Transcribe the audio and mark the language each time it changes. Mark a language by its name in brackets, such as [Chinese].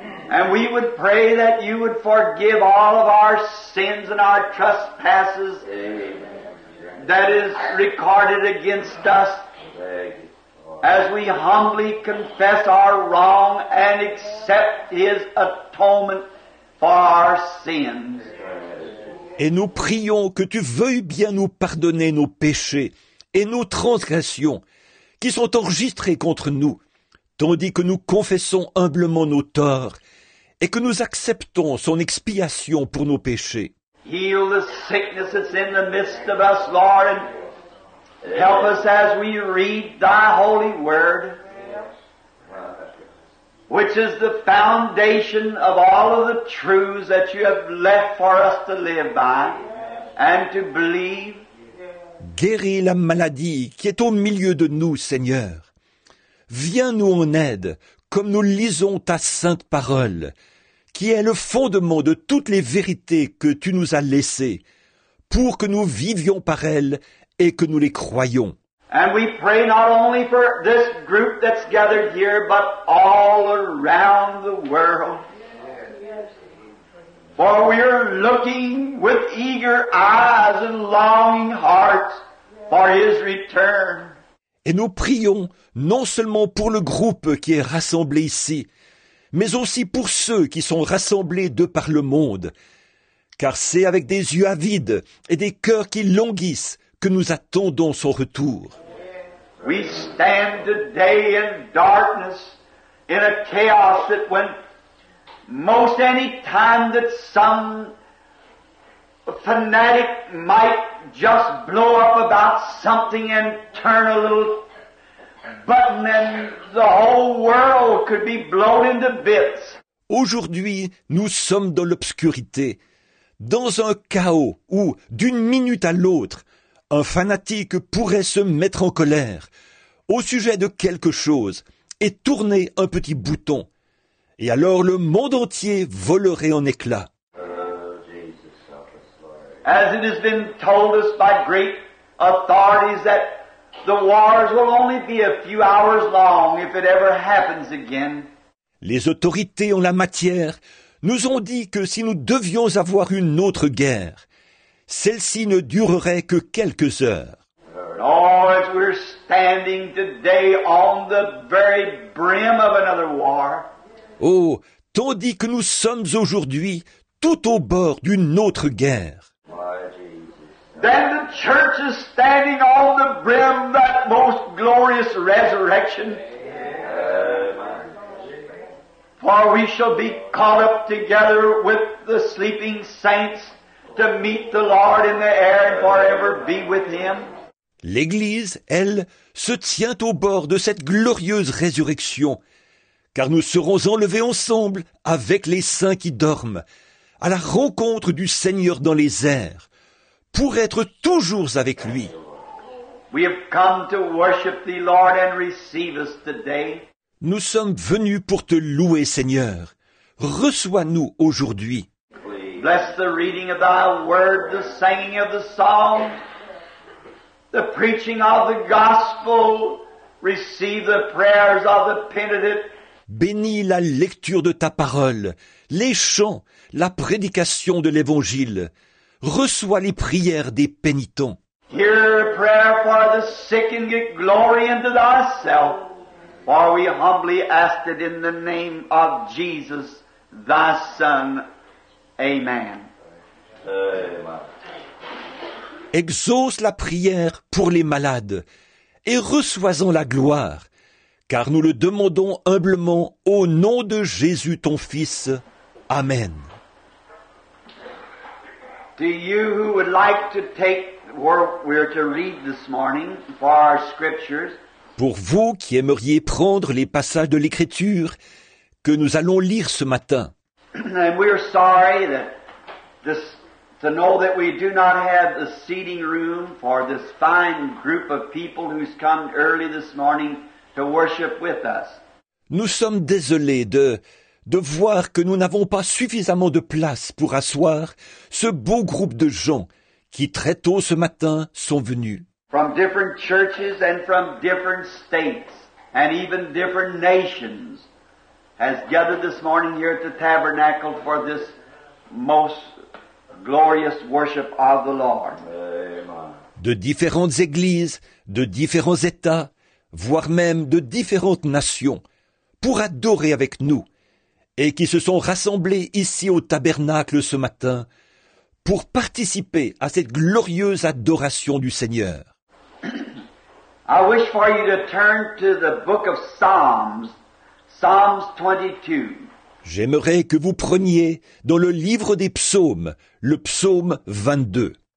[English] And we would pray that you would forgive all of our sins and our trespasses that is recorded against us as we humbly confess our wrong and accept his atonement for our sins. [French] Et nous prions que tu veuilles bien nous pardonner nos péchés et nos transgressions qui sont enregistrés contre nous, tandis que nous confessons humblement nos torts et que nous acceptons son expiation pour nos péchés. [English] Heal the sickness that's in the midst of us, Lord, and help us as we read thy holy word, which is the foundation of all of the truths that you have left for us to live by and to believe. [French] Guéris la maladie qui est au milieu de nous, Seigneur. Viens nous en aide, comme nous lisons ta sainte parole, qui est le fondement de toutes les vérités que tu nous as laissées, pour que nous vivions par elles et que nous les croyions. [English] And we pray not only for this group that's gathered here, but all around the world. For we are looking with eager eyes and longing hearts for his return. [French] Et nous prions non seulement pour le groupe qui est rassemblé ici, mais aussi pour ceux qui sont rassemblés de par le monde, car c'est avec des yeux avides et des cœurs qui languissent que nous attendons son retour. [English] We stand today in darkness, in a chaos that when most any time that some fanatic might just blow up about something and turn a little button and the whole world could be blown into bits. [French] Aujourd'hui, nous sommes dans l'obscurité, dans un chaos où, d'une minute à l'autre, un fanatique pourrait se mettre en colère au sujet de quelque chose et tourner un petit bouton. Et alors le monde entier volerait en éclats. [English] As it has been told us by great authorities that the wars will only be a few hours long if it ever happens again. [French] Les autorités en la matière nous ont dit que si nous devions avoir une autre guerre, celle-ci ne durerait que quelques heures. [English] Oh, as we're standing today on the very brim of another war. [French] Oh, tandis que nous sommes aujourd'hui tout au bord d'une autre guerre. [English] Then the church is standing on the brim of that most glorious resurrection. For we shall be caught up together with the sleeping saints to meet the Lord in the air and forever be with him. [French] L'Église, elle, se tient au bord de cette glorieuse résurrection, car nous serons enlevés ensemble avec les saints qui dorment, à la rencontre du Seigneur dans les airs, pour être toujours avec lui. [English] We have come to worship thee, Lord, and receive us today. [French] Nous sommes venus pour te louer, Seigneur. Reçois-nous aujourd'hui. [English] Bless the reading of thy word, the singing of the psalm, the preaching of the gospel, receive the prayers of the penitent. [French] Bénis la lecture de ta parole, les chants, la prédication de l'évangile. Reçois les prières des pénitents. [English] Hear a prayer for the sick and get glory unto thyself. For we humbly ask it in the name of Jesus, thy Son. Amen. Amen. [French] Exauce la prière pour les malades et reçois-en la gloire, car nous le demandons humblement au nom de Jésus ton Fils. Amen. [English] To you who would like to take what we're to read this morning for our scriptures. [French] Pour vous qui aimeriez prendre les passages de l'Écriture que nous allons lire ce matin. [English] And we are sorry that this, to know that we do not have the seating room for this fine group of people who's come early this morning to worship with us. [French] Nous sommes désolés de voir que nous n'avons pas suffisamment de place pour asseoir ce beau groupe de gens qui très tôt ce matin sont venus. [English] From different churches and from different states and even different nations has gathered this morning here at the tabernacle for this most glorious worship of the Lord. Amen. [French] De différentes églises, de différents états, voire même de différentes nations, pour adorer avec nous, et qui se sont rassemblés ici au tabernacle ce matin pour participer à cette glorieuse adoration du Seigneur. [English] I wish for you to turn to the book of Psalms, Psalms 22. [French] J'aimerais que vous preniez dans le livre des psaumes, le psaume 22.